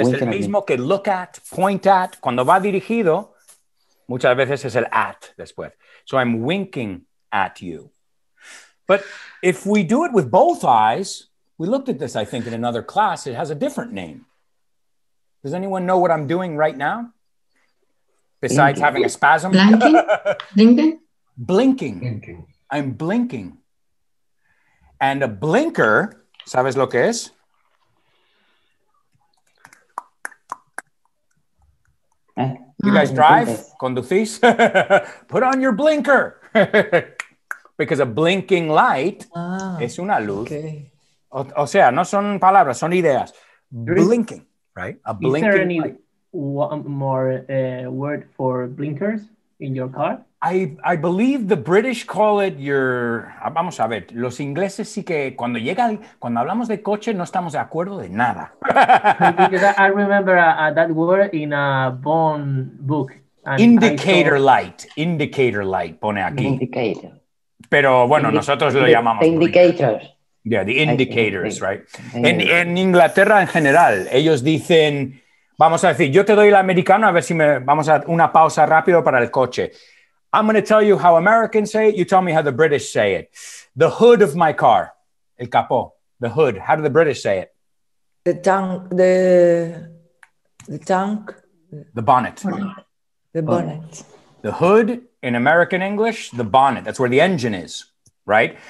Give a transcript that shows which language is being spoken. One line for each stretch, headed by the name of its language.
Spanish: Es el mismo que look at, point at. Cuando va dirigido, muchas veces es el at después.
English: So I'm winking at you. But if we do it with both eyes, we looked at this, I think, in another class. It has a different name. Does anyone know what I'm doing right now? Besides blinking. Having a spasm? Blinking. I'm blinking. And a blinker,
Spanish: ¿sabes lo que es?
English: You guys drive,
Spanish: conducís,
English: put on your blinker, because a blinking light
Spanish: es una luz.
English: Okay.
Spanish: O sea, no son palabras, son ideas.
English: Blinking, right? A blinking. Is there any word for blinkers in your car? I believe the British call it your.
Spanish: Vamos a ver, los ingleses sí que cuando llega, cuando hablamos de coche no estamos de acuerdo de nada.
English: Because I remember that word in a Bond book. Indicator light. Indicator light
Spanish: pone aquí.
English: Indicator.
Spanish: Pero bueno, nosotros lo llamamos.
English: The indicators. Blinkers. Yeah, the indicators, right?
Spanish: En Inglaterra en general, ellos dicen, vamos a decir, yo te doy el americano a ver si me. Vamos a una pausa rápido para el coche.
English: I'm going to tell you how Americans say it. You tell me how the British say it. The hood of my car. El capó. The hood. How do the British say it? The tank. The tank. The bonnet. The bonnet. The hood in American English. The bonnet. That's where the engine is, right?